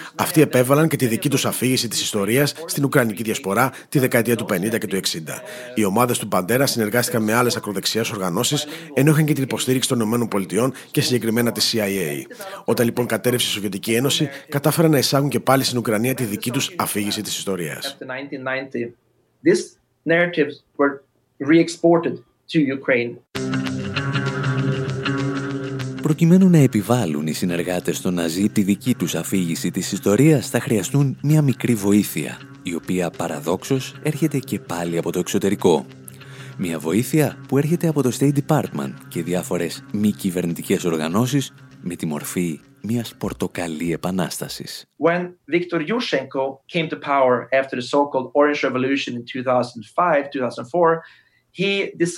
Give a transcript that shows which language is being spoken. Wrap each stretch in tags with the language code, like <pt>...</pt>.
<el>Αυτοί επέβαλαν και τη δική τους αφήγηση της ιστορίας στην Ουκρανική Διασπορά τη δεκαετία του 50 και του 60. Οι ομάδες του Παντέρα συνεργάστηκαν με άλλες ακροδεξιές οργανώσεις, ενώ είχαν και την υποστήριξη των ΗΠΑ και συγκεκριμένα τη CIA. Όταν λοιπόν κατέρευσε η Σοβιετική Ένωση, κατάφεραν να εισάγουν και πάλι στην Ουκρανία τη δική τους αφήγηση της ιστορίας.</el> <en>After 1990, these narratives were re-exported to Ukraine.</en> <el>Προκειμένου να επιβάλλουν οι συνεργάτες των Ναζί τη δική τους αφήγηση της ιστορίας, θα χρειαστούν μια μικρή βοήθεια, η οποία παραδόξως έρχεται και πάλι από το εξωτερικό. Μια βοήθεια που έρχεται από το State Department και διάφορες μη κυβερνητικές οργανώσεις με τη μορφή μιας πορτοκαλί επανάστασης.</el> <en>When Viktor Yushchenko came to power after the so-called Orange Revolution in 2005-2004,</en>